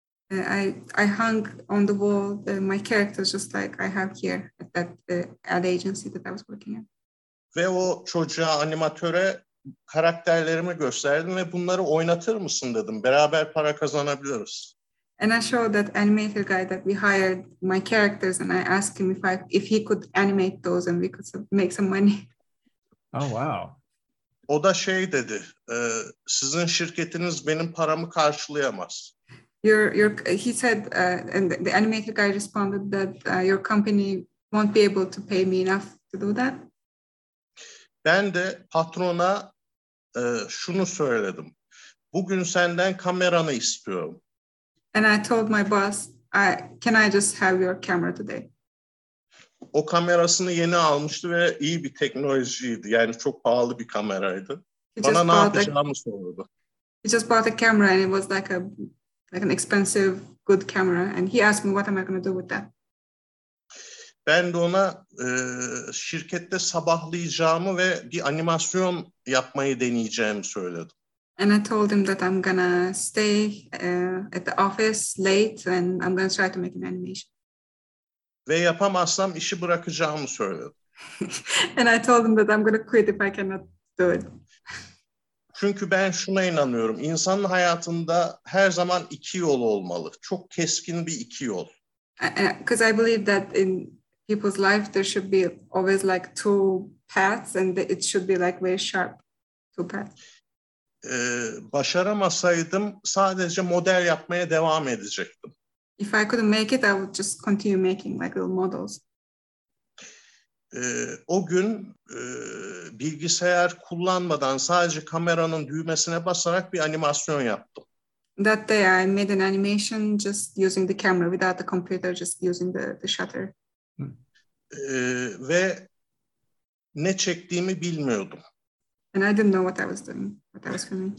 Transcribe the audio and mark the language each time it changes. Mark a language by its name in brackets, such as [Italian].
[English] I hung on the wall my characters just like I have here at that ad agency that I was working at. [Turkish] Ve o çocuğa, animatöre karakterlerimi gösterdim ve bunları oynatır mısın dedim. Beraber para kazanabiliriz. [English] And I showed that animator guy that we hired my characters and I asked him if he could animate those and we could make some money. Oh wow. [Turkish] O da şey dedi, sizin şirketiniz benim paramı karşılayamaz. [English] He said, and the animator guy responded that your company won't be able to pay me enough to do that. [Turkish] Ben de patrona şunu söyledim. Bugün senden kameranı istiyorum. [English] And I told my boss, can I just have your camera today? [Turkish] O kamerasını yeni almıştı ve iyi bir teknolojiydi. Yani çok pahalı bir kameraydı. Bana ne yapacağımı sordu. [English] He just bought a camera and it was like an expensive, good camera. And he asked me, what am I going to do with that? [Turkish] Ben de ona şirkette sabahlayacağımı ve bir animasyon yapmayı deneyeceğimi söyledim. [English] And I told him that I'm going to stay at the office late and I'm going to try to make an animation. [Turkish] Ve yapamazsam işi bırakacağımı söyledim. [English] And I told him that I'm going to quit if I cannot do it. [Turkish] Çünkü ben şuna inanıyorum. İnsanın hayatında her zaman iki yol olmalı. Çok keskin bir iki yol. [English] Because I believe that in people's life there should be always like two paths and it should be like very sharp two paths. [Turkish] Başaramasaydım sadece model yapmaya devam edecektim. [English] If I couldn't make it, I would just continue making like little models. [Turkish] O gün bilgisayar kullanmadan sadece kameranın düğmesine basarak bir animasyon yaptım. [English] That day I made an animation just using the camera without the computer, just using the shutter. [Turkish] Ve ne çektiğimi bilmiyordum. [English] And I didn't know what I was doing, what I was filming.